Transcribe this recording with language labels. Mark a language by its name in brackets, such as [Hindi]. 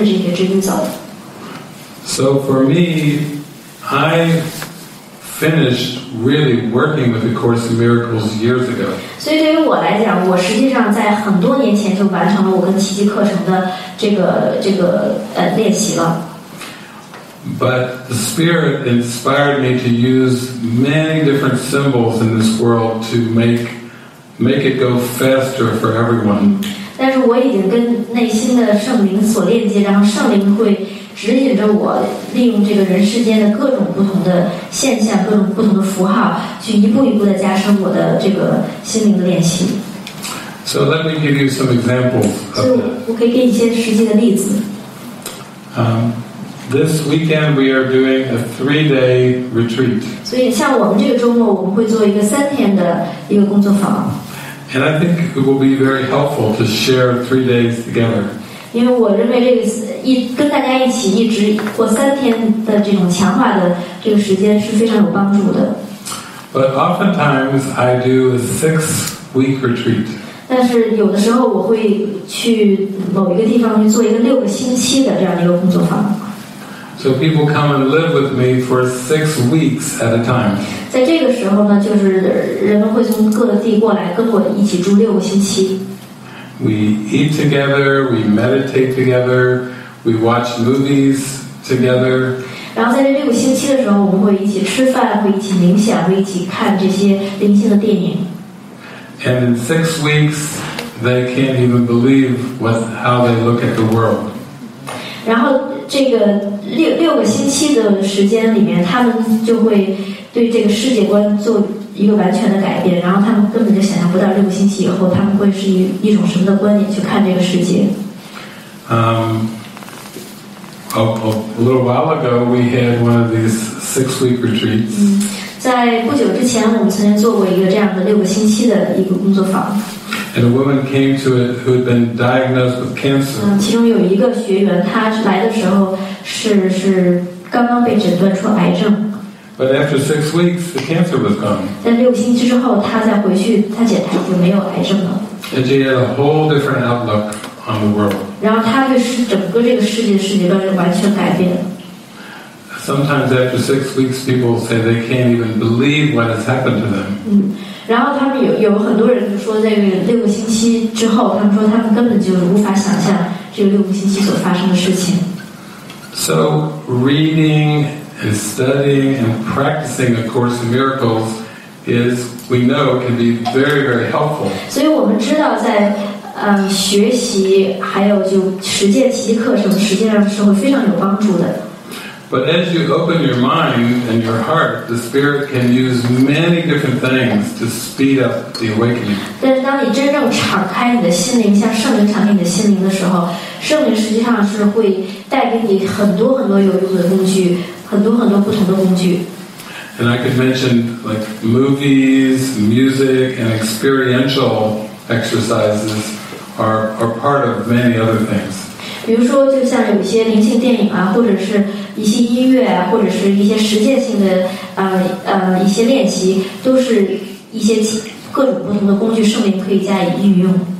[Chinese] 所以这些文字的目的实际上是把你指向一个正确的方向，在这个方向里面，你可以逐渐的向你内心的这些指引敞开，然后跟着这些指引走。 [English] So for me, I finished really working with the Course in Miracles years ago. [Chinese] 所以对于我来讲，我实际上在很多年前就完成了我跟奇迹课程的这个练习了。 [English] But the spirit inspired me to use many different symbols in this world to make it go faster for everyone. [Chinese] 但是我已经跟内心的圣灵所链接，然后圣灵会指引着我，利用这个人世间的各种不同的现象，各种不同的符号，去一步一步的加深我的这个心灵的练习。 [English] So let me give you some examples. [Chinese] 我可以给你一些实际的例子。 [English] This weekend we are doing a 3-day retreat. [Chinese] 所以像我们这个周末，我们会做一个三天的一个工作坊。 [English] And I think it will be very helpful to share 3 days together. [Chinese] 因为我认为这个一跟大家一起一直过三天的这种强化的这个时间是非常有帮助的。 [English] But oftentimes I do a 6-week retreat. [Chinese] 但是有的时候我会去某一个地方去做一个6个星期的这样一个工作坊。 [English] So people come and live with me for 6 weeks at a time. [Chinese] 在这个时候呢，就是人们会从各地过来跟我一起住6个星期。 [English] We eat together, we meditate together, we watch movies together. [Chinese] 然后在这6个星期的时候，我们会一起吃饭，会一起冥想，会一起看这些灵性的电影。 [English] And in 6 weeks, they can't even believe what how they look at the world. [Chinese] 然后这个六个星期的时间里面，他们就会。对这个世界观做一个完全的改变，然后他们根本就想象不到6个星期以后他们会是一种什么的观点去看这个世界。 [English] A little while ago, we had one of these 6-week retreats. [Chinese] 在不久之前，我们曾经做过一个这样的6个星期的一个工作坊。 [English] And a woman came to it who had been diagnosed with cancer. [Chinese] 其中有一个学员，他来的时候是刚刚被诊断出癌症。 [English] But after 6 weeks, the cancer was gone. [Chinese] 在六个星期之后，他再回去，他检查就没有癌症了。 [English] And she had a whole different outlook on the world. [Chinese] 然后他对整个这个世界的世界观就完全改变了。 [English] Sometimes after 6 weeks, people say they can't even believe what has happened to them. [Chinese] 然后他们有很多人就说，在6个星期之后，他们说他们根本就无法想象这6个星期所发生的事情。 [English] So reading. And studying and practicing A Course in Miracles is, we know, can be very, very helpful. [Chinese] 所以我们知道在学习还有就实践其课程实际上是会非常有帮助的。 [English] But as you open your mind and your heart, the Spirit can use many different things to speed up the awakening. [Chinese] 但是当你真正敞开你的心灵，向圣灵敞开你的心灵的时候，圣灵实际上是会带给你很多很多有用的工具。很多很多不同的工具。 [English] And I could mention like movies, music, and experiential exercises are part of many other things. [Chinese] 比如说，就像有些灵性电影啊，或者是一些音乐啊，或者是一些实践性的一些练习，都是一些各种不同的工具，圣灵可以加以运用。